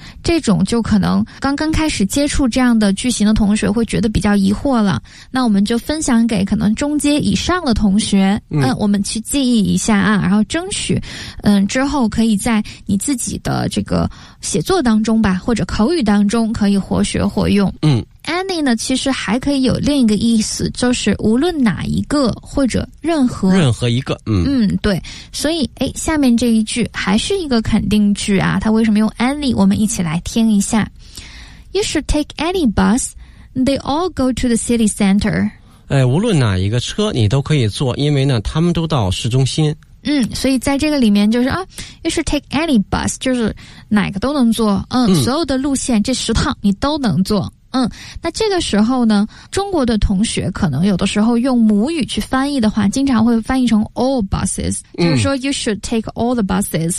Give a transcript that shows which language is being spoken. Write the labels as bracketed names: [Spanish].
[Chinese] 这种就可能刚刚开始接触这样的句型的同学会觉得比较疑惑了，那我们就分享给可能中阶以上的同学，我们去记忆一下啊，然后争取之后可以在你自己的这个写作当中吧，或者口语当中可以活学活用。 Any 呢其实还可以有另一个意思，就是无论哪一个或者任何一个。对，所以下面这一句还是一个肯定句啊，它为什么用 Any， 我们一起来听一下。 [English] You should take any bus, they all go to the city center。 [Chinese] 无论哪一个车你都可以坐，因为呢他们都到市中心。所以在这个里面就是 [English] You should take any bus， [Chinese] 就是哪个都能坐，所有的路线这十趟你都能坐。那这个时候呢，中国的同学可能有的时候用母语去翻译的话，经常会翻译成 [English] all buses， [Chinese] 就是说 [English] you should take all the buses，